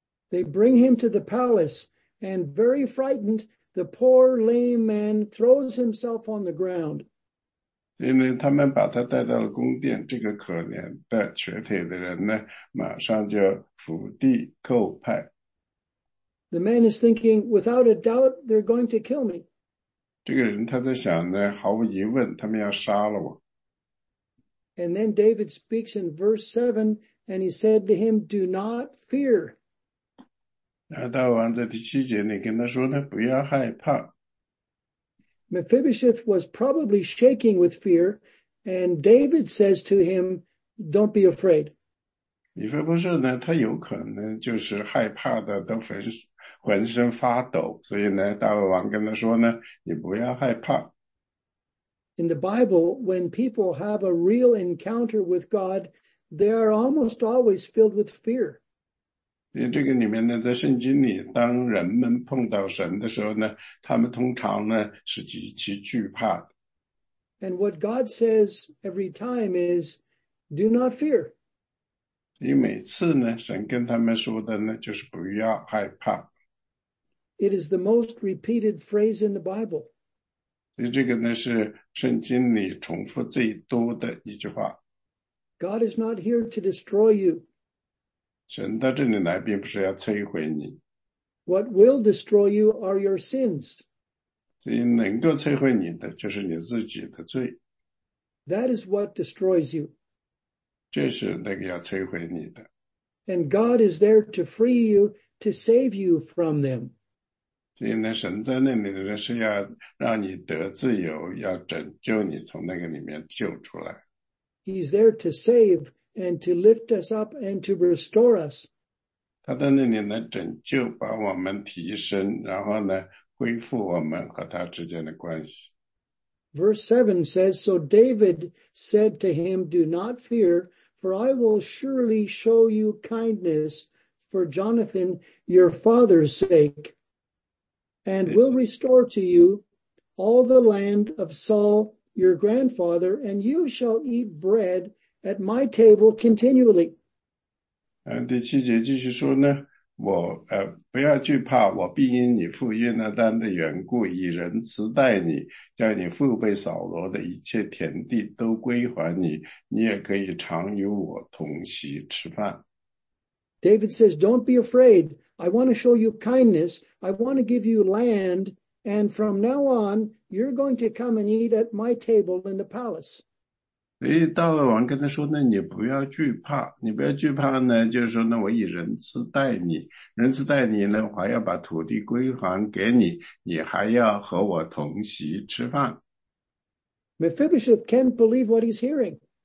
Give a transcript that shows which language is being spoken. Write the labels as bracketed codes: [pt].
[en] They bring him to the palace, and very frightened, the poor lame man throws himself on the ground. [zh] 因为他们把他带到了宫殿，这个可怜的瘸腿的人呢，马上就伏地叩拜。 [en] The man is thinking, without a doubt, they're going to kill me. [zh] 这个人他在想呢，毫无疑问，他们要杀了我。 [en] And then David speaks in verse 7, and he said to him, do not fear. [zh] 然后大王在第七节里跟他说呢，不要害怕。 [en] Mephibosheth was probably shaking with fear, and David says to him, don't be afraid. [zh] 米非波设呢，他有可能就是害怕的都浑身发抖，所以呢，大卫王跟他说呢，你不要害怕。 [en] In the Bible, when people have a real encounter with God, they are almost always filled with fear. [zh] 因为这个里面呢，在圣经里，当人们碰到神的时候呢，他们通常呢是极其惧怕的。 [en] And what God says every time is, do not fear. [zh] 因为每次呢，神跟他们说的呢，就是不要害怕。 [en] It is the most repeated phrase in the Bible. [zh] 所以这个呢，是圣经里重复最多的一句话。 [en] God is not here to destroy you. [zh] 神到这里来并不是要摧毁你。 [en] What will destroy you are your sins. [zh] 所以能够摧毁你的就是你自己的罪。 [en] That is what destroys you. [zh] 这是那个要摧毁你的。 [en] And God is there to free you, to save you from them. [zh] 所以呢，神在那里呢是要让你得自由，要拯救你从那个里面救出来。 [en] He is there to save and to lift us up and to restore us. [zh] 他在那里来拯救，把我们提升，然后呢恢复我们和他之间的关系。 [en] Verse 7 says, So David said to him, Do not fear, for I will surely show you kindness for Jonathan, your father's sake, and will restore to you all the land of Saul, your grandfather, and you shall eat bread at my table continually. [zh] 第七节继续说呢。不要惧怕，我必因你父约拿单的缘故，以仁慈待你，将你父被扫罗的一切田地都归还你，你也可以常与我同席吃饭。 [en] David says, "Don't be afraid. I want to show you kindness. I want to give you land, and from now on, you're going to come and eat at my table in the palace." [zh] 所以大卫王跟他说呢，你不要惧怕，你不要惧怕呢，就是说呢，我以仁慈待你，仁慈待你呢，我还要把土地归还给你，你还要和我同席吃饭。 [en] Mephibosheth can't believe what he's hearing.